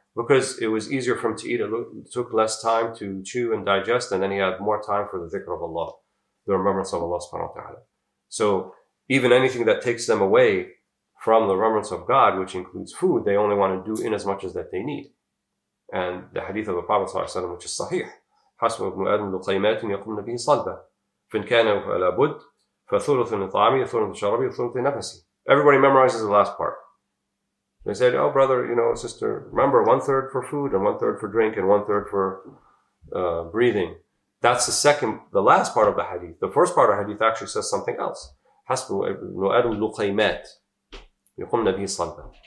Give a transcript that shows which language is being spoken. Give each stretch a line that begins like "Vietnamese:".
English: Because it was easier for him to eat. It took less time to chew and digest, and then he had more time for the dhikr of Allah, the remembrance of Allah subhanahu wa ta'ala. So even anything that takes them away from the remembrance of God, which includes food, they only want to do in as much as that they need. And the hadith of the Prophet sallallahu alaihi wasallam, which is sahih,
Arabic: حَسْبُ ابْنُ آدَمَ لُقَيْمَاتٍ يَقُمْنَ بِهِ صَلْبًا فَإِنْ كَانَ فَلَا بُدْ فَثُلُثٌ طَعَامِي وَثُلُثٌ شَرَابِي وَثُلُثٌ نَفَسِي.
English: Everybody memorizes the last part. They said, oh brother, you know, sister, remember, one third for food and one third for drink and one third for breathing. That's the second, the last part of the hadith. The first part of the hadith actually says something else.
Arabic: حَسْبُ ابْنُ آدَمَ لُقَيْمَاتٍ يَقُمْنَ بِهِ صَلْبًا.